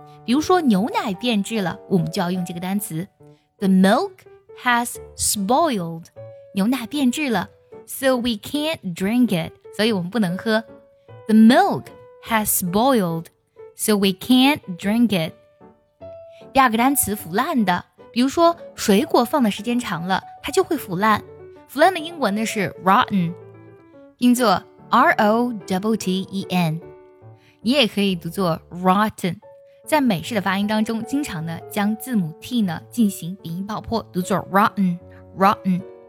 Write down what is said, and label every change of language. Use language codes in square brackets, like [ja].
[zh] 比如说牛奶变质了，我们就要用这个单词 [en] the milk has spoiled， [zh] 牛奶变质了 ， [en] so we can't drink it， [zh] 所以我们不能喝。 [en] The milk has spoiled, so we can't drink it. [zh] 第二个单词腐烂的，比如说水果放的时间长了，它就会腐烂。腐烂的英文呢是 rotten， 拼作 rotten， 你也可以读作 rotten。在美式的发音当中，经常呢将字母 t 呢进行鼻音爆破，读作 rotten， rotten。